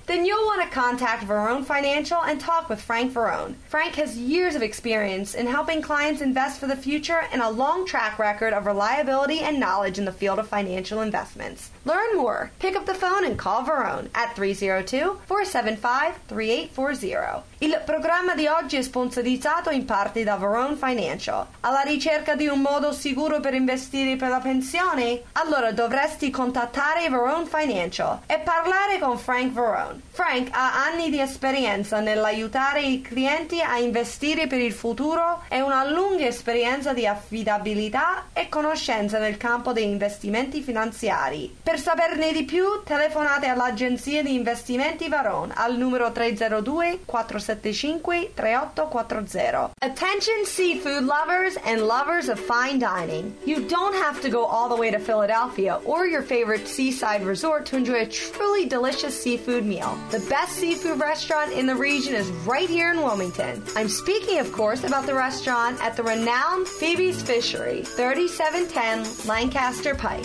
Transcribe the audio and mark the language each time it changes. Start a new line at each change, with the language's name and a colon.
English: Then you'll want to contact Verone Financial and talk with Frank Verone. Frank has years of experience in helping clients invest for the future and a long track record of reliability and knowledge in the field of financial investments. Learn more. Pick up the phone and call Verone at 302-475-3840.
Italian: Il programma di oggi è sponsorizzato in parte da Verone Financial. Alla ricerca di un modo sicuro per investire per la pensione? Allora dovresti contattare Verone Financial e parlare con Frank Verone. Frank ha anni di esperienza nell'aiutare i clienti a investire per il futuro e una lunga esperienza di affidabilità e conoscenza nel campo degli investimenti finanziari. Per saperne di più, telefonate all'agenzia di investimenti Verone al numero 302-475-3840.
English: Attention seafood lovers and lovers of fine dining. You don't have to go all the way to Philadelphia or your favorite seaside resort to enjoy a truly delicious seafood meal. The best seafood restaurant in the region is right here in Wilmington. I'm speaking, of course, about the restaurant at the renowned Phoebe's Fishery, 3710 Lancaster Pike.